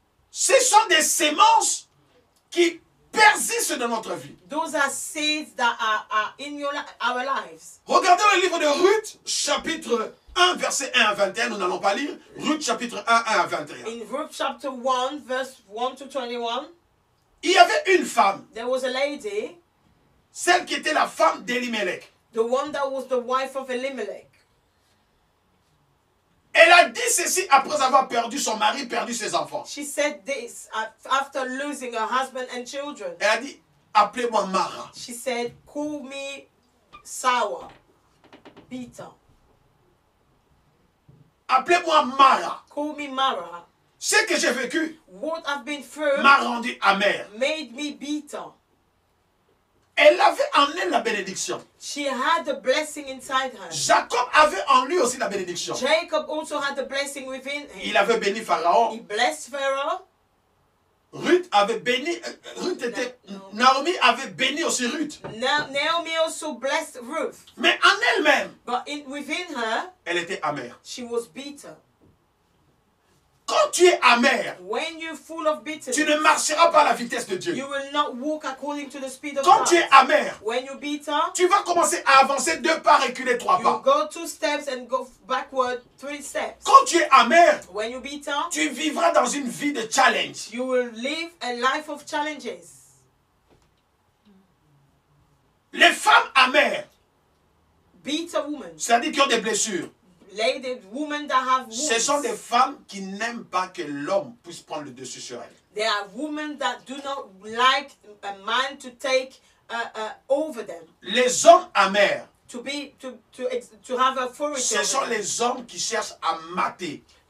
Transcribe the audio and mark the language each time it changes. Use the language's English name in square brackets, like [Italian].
[French] Ce sont des semences qui persistent dans notre vie. [English] Those are seeds that are in our lives. [French] Regardons le livre de Ruth, chapitre 1, verset 1 à 21. Nous n'allons pas lire. Ruth, chapitre 1, 1 à 21. [English] In Ruth, chapter 1, verse 1 to 21. [French] Il y avait une femme. [English] There was a lady. [French] Celle qui était la femme d'Elimelech. [English] The one that was the wife of Elimelech. [French] Elle a dit ceci après avoir perdu son mari, perdu ses enfants. [English] She said this after losing her husband and children. [French] Elle a dit, appelez-moi Mara. [English] She said, call me sour, bitter. [French] Appelez-moi Mara. [English] Call me Mara. [French] Ce que j'ai vécu, [English] what I've been through, [French] m'a rendu amer. [English] Made me bitter. [French] Elle avait en elle la bénédiction. [English] She had the blessing inside her. [French] Jacob avait en lui aussi la bénédiction. [English] Jacob also had the blessing within him. [French] Il avait béni Pharaon. [English] He blessed Pharaoh. [French] Ruth avait béni. Ruth était. Naomi avait béni aussi Ruth. [English] Naomi also blessed Ruth. [French] Mais en elle-même. [English] But within her. [French] Elle était amère. [English] She was bitter. [French] Quand tu es amer, [English] when you're full of bitterness, [French] tu ne marcheras pas à la vitesse de Dieu. [English] You will not walk according to the speed of [French] quand [English] God. [French] Tu es amer, [English] when you're bitter, [French] tu vas commencer à avancer deux pas, reculer trois [English] you [French] pas. [English] Go two steps and go backward three steps. [French] Quand tu es amer, [English] when you're bitter, [French] tu vivras dans une vie de challenge. [English] You will live a life of challenges. [French] Les femmes amères, [English] bitter women, [French] c'est-à-dire qui ont des blessures, [English] ladies, women that have wounds. [French] Ce sont des femmes qui n'aiment pas que l'homme puisse prendre le dessus sur elles. [English] There are women that do not like a man to take over them. [French] Les hommes amers. [English] To have authority. [French] Ce sont les hommes qui cherchent à mater.